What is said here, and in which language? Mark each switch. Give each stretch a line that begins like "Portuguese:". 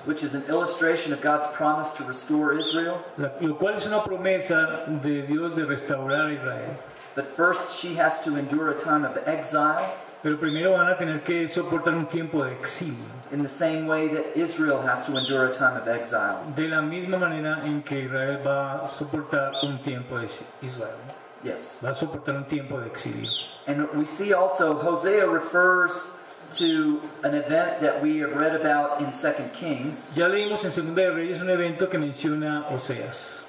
English: Which is an illustration of God's promise to restore Israel.
Spanish: Lo cual es una promesa de Dios de restaurar a Israel.
English: But first she has to endure a time of exile.
Spanish: Pero primero van a tener que soportar un tiempo de exilio.
English: In the same way that Israel has to endure a time of exile.
Spanish: De la misma manera en que Israel va a soportar un tiempo de exilio.
English: Yes.
Spanish: Va a soportar un tiempo de exilio.
English: And we see also Hosea refers to an event that we have read about in 2 Kings.
Spanish: Ya leímos en Segunda de Reyes un evento que menciona Oseas.